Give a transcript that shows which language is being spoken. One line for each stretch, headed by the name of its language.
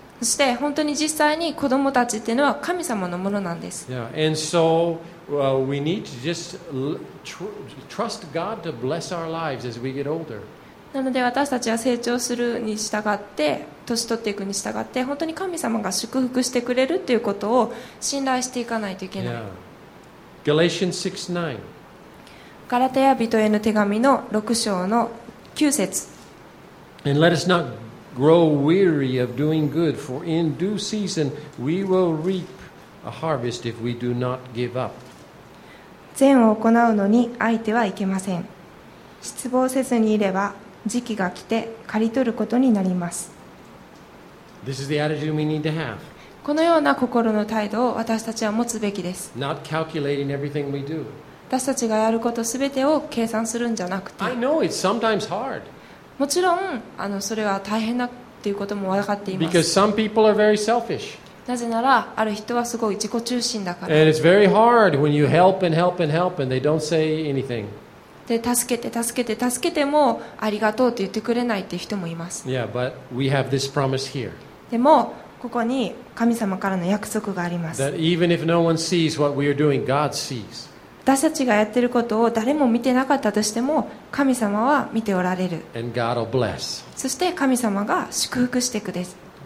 Japanese: そして本当に実際に子供たちっていうのは神様のものなんです。
English: Yeah. And so, we need to just trust God to bless our lives as we get older.
Japanese: なので私たちは成長するに従って年取っていくに従って本当に神様が祝福してくれるということを信頼していかないといけない。
English: Galatians 6:9
Japanese: ガラテヤ人への手紙の6章の9節
English: And let us not grow weary of doing good, for in due season we will reap a harvest if we do not give up.
Japanese: 善を行うのに相手はいけません。失望せずにいれば時期が来て刈り取ることになります。
English: This is the attitude we need to have.
Japanese: このような心の態度を私たちは持つべきです。
English: Not calculating everything we do.
Japanese: 私たちがやることすべてを計算するんじゃなくて、
English: I know it's sometimes hard.
Japanese: もちろんそれは大変だということも分かっています。
English: Because some people are very selfish.
Japanese: なぜならある人はすごい自己中心だから。
English: And it's very hard when you help and help and help and they don't say anything.
Japanese: で助けて助けて助けてもありがとうと言ってくれないという人もいます。
English: yeah, but we have this promise here.
Japanese: でもここに神様からの約束があります。
English: That even if no one sees what we are doing, God sees.
Japanese: 私たちがやっていることを誰も見てなかったとしても神様は見ておられる。
English: And God will bless.
Japanese: そして神様が祝福していくです。